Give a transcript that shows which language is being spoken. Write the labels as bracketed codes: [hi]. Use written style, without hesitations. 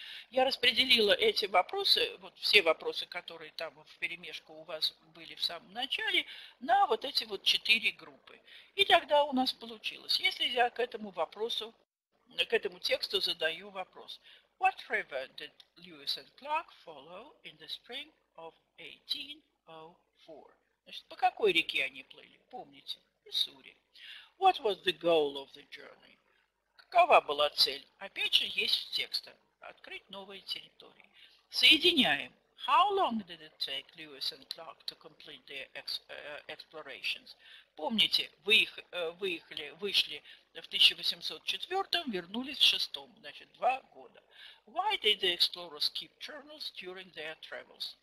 [ru] Я распределила эти вопросы, вот все вопросы, которые там вперемешку у вас были в самом начале, на вот эти вот четыре группы. И тогда у нас получилось, если я к этому вопросу, к этому тексту задаю вопрос. [en] What river did Lewis and Clark follow in the spring of 1804? [ru] Значит, по какой реке они плыли? Помните, Миссури. [en] What was the goal of the journey? [ru] Какова была цель? Опять же, есть в тексте. Открыть новые территории. Соединяем. [en] How long did it take Lewis and Clark to complete their explorations? [ru] Помните, вышли в 1804, вернулись в 6, значит, 2 года. [en] Why did the explorers keep journals during their travels?